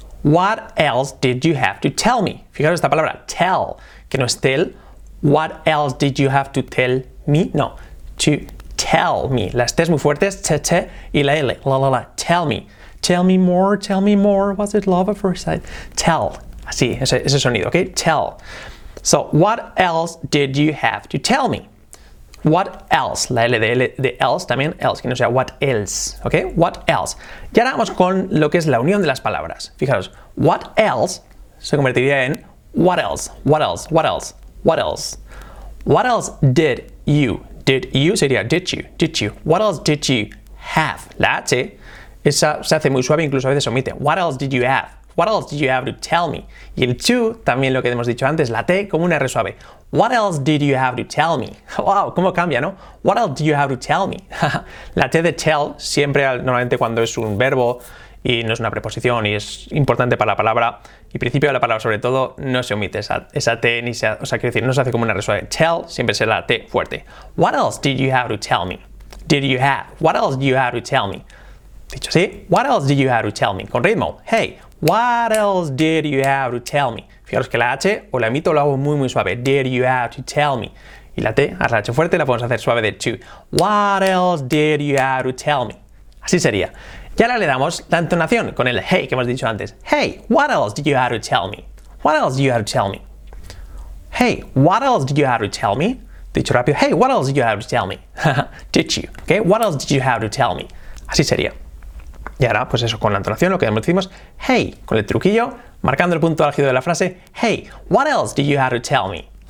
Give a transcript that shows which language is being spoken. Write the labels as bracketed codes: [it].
[en] What else did you have to tell me? [es] Fijaros esta palabra, tell, que no es tell. [en] What else did you have to tell me? No, to tell me. [es] Las T es muy fuertes, T, T, y la L, la, la, la, [en] tell me. Tell me more, tell me more. Was it love at first sight? Tell. [es] Así, ese sonido, ¿ok? Tell. [en] So, what else did you have to tell me? What else? [es] La L de else también, else, que no sea what else, ¿ok? What else. Y ahora vamos con lo que es la unión de las palabras. Fijaros, [en] what else [es] se convertiría en [en] what else, what else, what else, what else. What else did you? Did you [es] sería [en] did you, did you. What else did you have? [es] La H. Esa se hace muy suave, incluso a veces omite. [en] What else did you have? What else did you have to tell me? [es] Y el to, también lo que hemos dicho antes, la T como una R suave. [en] What else did you have to tell me? Wow, [es] cómo cambia, ¿no? [en] What else did you have to tell me? [es] La T de tell, siempre, normalmente cuando es un verbo y no es una preposición y es importante para la palabra y principio de la palabra sobre todo, no se omite esa T, ni se, o sea, quiero decir, no se hace como una R suave. Tell siempre será la T fuerte. [en] What else did you have to tell me? Did you have? What else did you have to tell me? [es] Dicho así, [en] what else did you have to tell me? [es] Con ritmo, [en] hey, what else did you have to tell me? [es] Fijaros que la H, o la emito, lo hago muy muy suave, [en] did you have to tell me? [es] Y la T, haz la H fuerte, la podemos hacer suave de to, [en] what else did you have to tell me? [es] Así sería. Y ahora le damos la entonación con el hey que hemos dicho antes. [en] Hey, what else did you have to tell me? What else did you have to tell me? Hey, what else did you have to tell me? [es] Dicho rápido, [en] hey, what else did you have to tell me? Did you, okay? What else did you have to tell me? [es] Así sería. Y ahora, pues eso, con la entonación, lo que decimos, hey, con el truquillo, marcando el punto álgido de la frase, [en] hey, what else did you have to tell me?